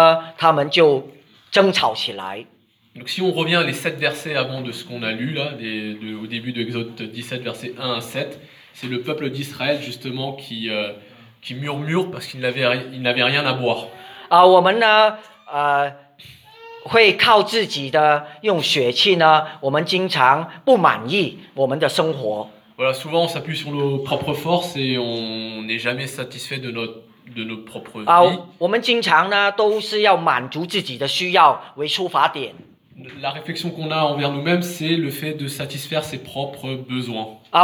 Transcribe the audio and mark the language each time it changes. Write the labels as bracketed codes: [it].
[zh] 刚才我们所念的这个出埃及记的十七章，就讲到呢，一到七节讲到以色列人呢，因为没有水喝，他们就争吵起来。 [fr] Donc si on revient à les 7 versets avant de ce qu'on a lu là, au début de Exode 17, versets 1 à 7, c'est le peuple d'Israël justement qui murmure parce qu'il n'avait rien à boire. [zh] 我们呢，会靠自己的用血气呢，我们经常不满意我们的生活。 [fr] Voilà, souvent on s'appuie sur nos propres forces et on n'est jamais satisfait de nos propres vies. [zh] 我们经常呢，都是要满足自己的需要为出发点。 [fr] La réflexion qu'on a envers nous-mêmes, c'est le fait de satisfaire ses propres besoins.